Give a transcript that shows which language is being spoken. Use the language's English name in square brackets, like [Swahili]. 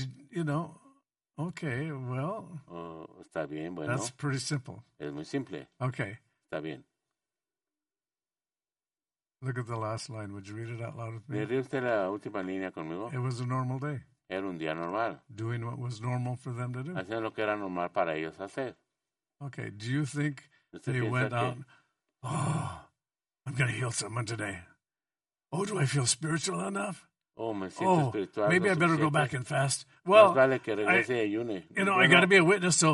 [English] You know... Okay, well, [Spanish] está bien, bueno, [English] that's pretty simple. [Spanish] Es muy simple. [English] Okay. [Spanish] Está bien. [English] Look at the last line. Would you read it out loud with me? [Spanish] ¿Leería usted la última línea conmigo? [English] It was a normal day. [Spanish] Era un día normal. [English] Doing what was normal for them to do. [Spanish] Haciendo lo que era normal para ellos hacer. [English] Okay, do you think they went out, oh, I'm going to heal someone today. Oh, do I feel spiritual enough? [Spanish] Oh, me siento oh, espiritual. [English] Maybe I better [Spanish] suficiente. [English] Go back and fast. Well, [Spanish] vale que regrese y ayune. [English] You know, [Spanish] bueno, [English] I got to be a witness, so